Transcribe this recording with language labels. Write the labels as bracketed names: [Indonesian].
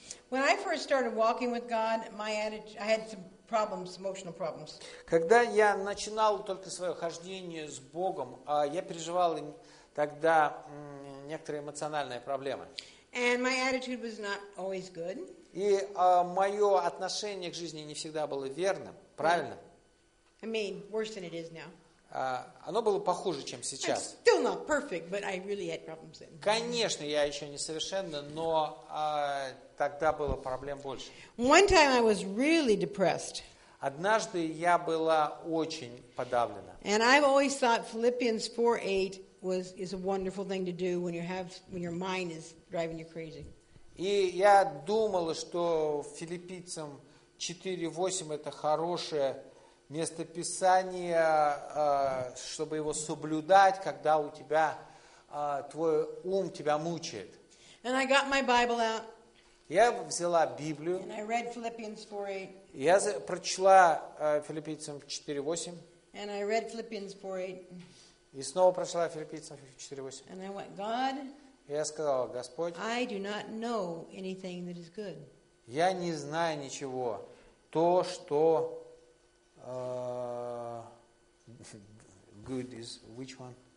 [English] When I first started walking with God, I had some problems, emotional problems. [Russian] Когда я начинал только свое хождение с Богом, я переживал тогда некоторые эмоциональные проблемы. [English] And my attitude was not always good. [Russian] И мое отношение к жизни не всегда было верным, правильным. [English] I mean, worse than it is now. [Russian] Оно было похуже, чем сейчас. [English] It's still not perfect, but I really had problems then. [Russian] Конечно, я еще не совершенно, но тогда было проблем больше. [English] One time I was really depressed. [Russian] Однажды я была очень подавлена. [English] And I've always thought Philippians 4:8 is a wonderful thing to do when your mind is driving you crazy. [Russian] И я думала, что Филиппийцам 4:8 это хорошее местописание, чтобы его соблюдать, когда у тебя твой ум тебя мучает. [English] And I got my Bible out. [Russian] Я взяла Библию. [English] And I read Philippians 4:8. [Russian] Я прочла Филиппийцам 4:8. [English] And I read Philippians 4:8. [Russian] И снова прочла Филиппийцам 4:8. [English] And I went, God. [Russian] Я сказала, Господь. [English] I do not know anything that is good. [Russian] Я не знаю ничего, то что [English] good is which one?